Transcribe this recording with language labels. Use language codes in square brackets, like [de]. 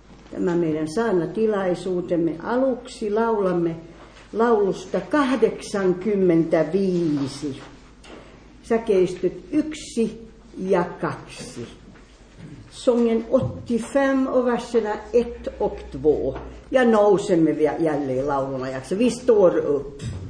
[fi] tämä meidän saarnatilaisuutemme. Aluksi laulamme laulusta 85, säkeistöt 1 ja 2. [sv] Sången 85 och verserna 1 och 2. [fi] Ja nousemme jälleen laulunajaksi. [sv] Vi står upp.